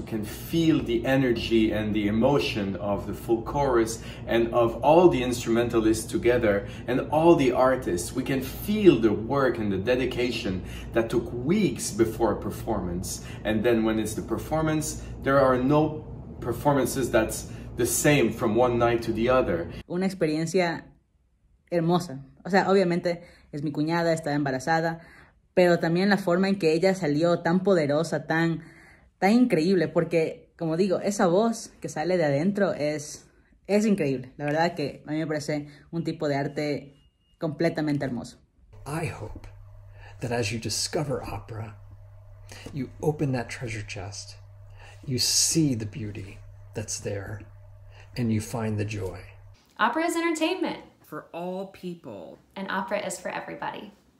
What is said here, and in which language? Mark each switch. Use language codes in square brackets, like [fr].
[en] We can feel the energy and the emotion of the full chorus and of all the instrumentalists together and all the artists. We can feel the work and the dedication that took weeks before a performance. And then when it's the performance, there are no performances that's the same from one night to the other. [es] Una experiencia hermosa. O sea, obviamente es mi cuñada, está embarazada, pero también la forma en que ella salió tan poderosa, tan increíble, porque, como digo, esa voz que sale de adentro es increíble. La verdad que a mí me parece un tipo de arte completamente hermoso. [en] I hope that as you discover opera, you open that treasure chest, you see the beauty that's there, and you find the joy. Opera is entertainment. For all people. And opera is for everybody.